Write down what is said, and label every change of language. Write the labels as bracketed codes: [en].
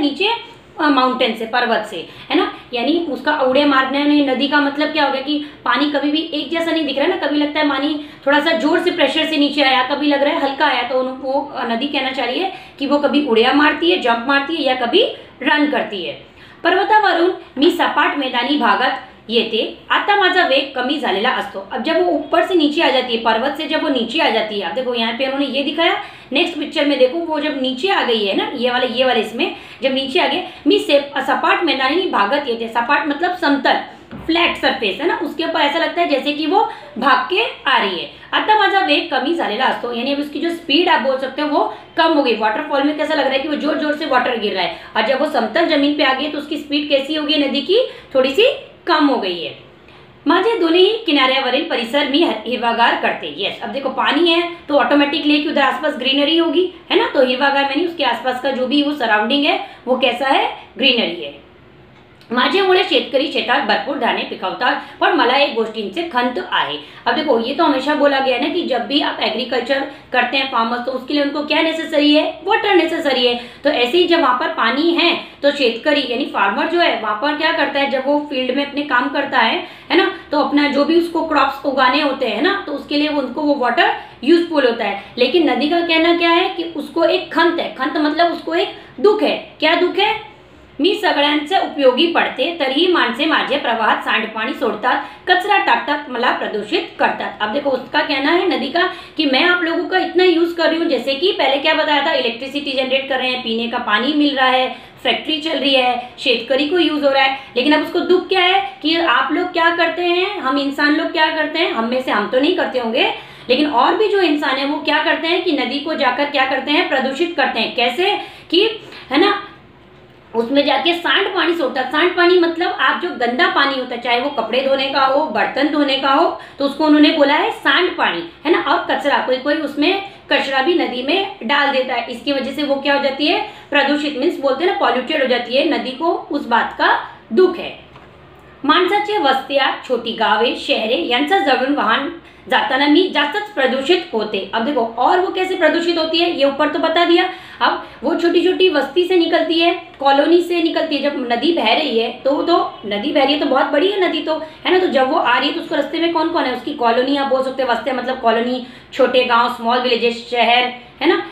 [hi] नीचे माउंटेन से, पर्वत से, है ना, यानी उसका उड़े मारने में नदी का मतलब क्या हो गया कि पानी कभी भी एक जैसा नहीं दिख रहा है ना, कभी लगता है पानी थोड़ा सा जोर से प्रेशर से नीचे आया, कभी लग रहा है हल्का आया, तो उनको नदी कहना चाहिए कि वो कभी उड़िया मारती है, जंप मारती है, या कभी रन करती है। [mr] पर्वतावरुण मी सपाट मैदानी भागत येते, आता माझा वेग कमी झालेला असतो। [hi] अब जब वो ऊपर से नीचे आ जाती है, पर्वत से जब वो नीचे आ जाती है, अब देखो यहाँ पे उन्होंने ये दिखाया, नेक्स्ट पिक्चर में देखो, वो जब नीचे आ गई है ना, ये वाले इसमें जब नीचे आ गए, [mr] मी सपाट मैदानी भागत येते, [hi] सपाट मतलब समतल, फ्लैट सरफेस, है ना, उसके ऊपर ऐसा लगता है जैसे कि वो भाग के आ रही है। [mr] आता माझा वेग कमी झालेला असतो, [hi] यानी अब उसकी जो स्पीड आप बोल सकते हो वो कम हो गई, वाटरफॉल में कैसा लग रहा है कि वो जोर जोर से वाटर गिर रहा है, और जब वो समतल जमीन पे आ गई तो उसकी स्पीड कैसी होगी नदी की? थोड़ी सी कम हो गई है। [mr] माझे दोन्ही किनाऱ्यावरील परिसर मी हिरवागार करते, यस। [hi] अब देखो पानी है तो ऑटोमेटिकली कि उधर आसपास ग्रीनरी होगी, है ना, तो हिरवागार मैंने उसके आसपास का जो भी वो सराउंडिंग है वो कैसा है? ग्रीनरी है। [mr] माझे मुळे शेतकरी शेतात भरपूर धाने पिकवतात, पण मला एक गोष्टींचे खंत आहे। [hi] अब देखो ये तो हमेशा बोला गया ना कि जब भी आप एग्रीकल्चर करते हैं, फार्मर्स, तो उसके लिए उनको क्या नेसेसरी है? वाटर नेसेसरी है। तो ऐसे ही जब वहां पर पानी है तो शेतकरी यानी फार्मर जो है वहां पर क्या करता है, जब वो फील्ड में अपने काम करता है ना, तो अपना जो भी उसको क्रॉप्स उगाने होते हैं ना, तो उसके लिए उनको वो वाटर यूजफुल होता है। लेकिन नदी का कहना क्या है कि उसको एक खंत है, खंत मतलब उसको एक दुख है। क्या दुख है? [mr] मी सगळ्यांचे उपयोगी पडते, तरीही माणसे माझे प्रवाहात सांडपाणी सोडतात, कचरा टाकतात, मला प्रदूषित करतात। [hi] अब देखो उसका कहना है नदी का कि मैं आप लोगों का इतना यूज कर रही हूँ, जैसे कि पहले क्या बताया था, इलेक्ट्रिसिटी जनरेट कर रहे हैं, पीने का पानी मिल रहा है, फैक्ट्री चल रही है, शेतकरी को यूज हो रहा है, लेकिन अब उसको दुख क्या है कि आप लोग क्या करते हैं, हम इंसान लोग क्या करते हैं, हम में से हम तो नहीं करते होंगे, लेकिन और भी जो इंसान है वो क्या करते हैं कि नदी को जाकर क्या करते हैं, प्रदूषित करते हैं। कैसे कि है ना, उसमें जाके सांड पानी सोता। सांड पानी मतलब आप जो गंदा पानी होता है, चाहे वो कपड़े धोने का हो, बर्तन धोने का हो, तो उसको उन्होंने बोला है सांड पानी, है ना। और कचरा, कोई कोई उसमें कचरा भी नदी में डाल देता है, इसकी वजह से वो क्या हो जाती है, प्रदूषित, मीन्स बोलते हैं ना पॉल्यूटेड हो जाती है नदी, को उस बात का दुख है। [mr] माणसाचे वस्त्या छोटी गावे शहरे यांचा जगून वाहन जाताना मी जास्तच प्रदूषित होते। [hi] अब देखो, और वो कैसे प्रदूषित होती है ये ऊपर तो बता दिया, अब वो छोटी छोटी वस्ती से निकलती है, कॉलोनी से निकलती है, जब नदी बह रही है तो नदी बह रही है तो बहुत बड़ी है नदी, तो है ना, तो जब वो आ रही है तो उसको रस्ते में कौन कौन है, उसकी कॉलोनी आप बोल सकते, वस्त्या मतलब कॉलोनी, छोटे गाँव, स्मॉल विलेजेस, शहर, है ना।